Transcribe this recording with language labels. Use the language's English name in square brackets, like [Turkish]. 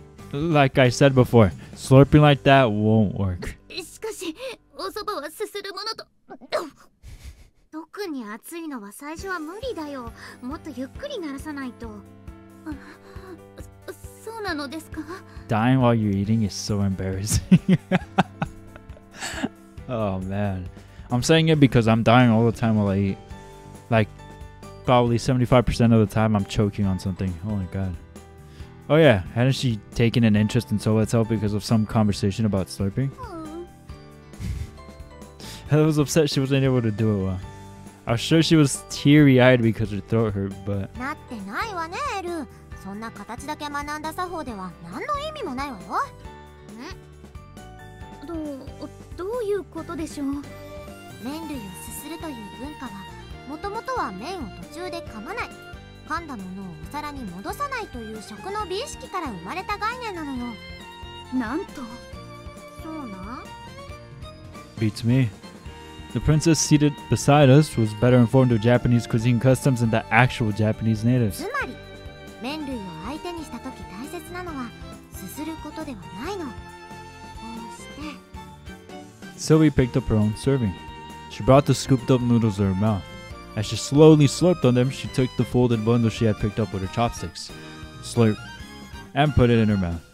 [English] Like I said before, slurping like that won't work. [Japanese] しかし、おそばはすするものと。特に熱いのは最初は無理だよ。もっとゆっくり鳴らさないと。そうなのですか? [English] Dying while you're eating is so embarrassing. Oh man. I'm saying it because I'm dying all the time while I eat. Like, probably 75% of the time I'm choking on something. Oh my god. Oh yeah, hadn't she taken an interest in soba itself because of some conversation about slurping? Ella was upset she wasn't able to do it well. I was sure she was teary-eyed because her throat hurt, but... [Japanese] なってないわね、エル。そんな形だけ学んだ作法では何の意味もないわよ。ん? どういうことでしょう? 麺類をすするという文化は、もともとは麺を途中で噛まない。噛んだものをお皿に戻さないという食の美意識から生まれた概念なのよ。なんと。そうな。 [English] Beats me. The princess seated beside us was better informed of Japanese cuisine customs than the actual Japanese natives. [Japanese] つまり、麺類を相手にしたとき大切なのは、すすることではないの。こうして。 [English] Sylvie picked up her own serving. She brought the scooped up noodles to her mouth. As she slowly slurped on them, she took the folded bundle she had picked up with her chopsticks, slurp, and put it in her mouth.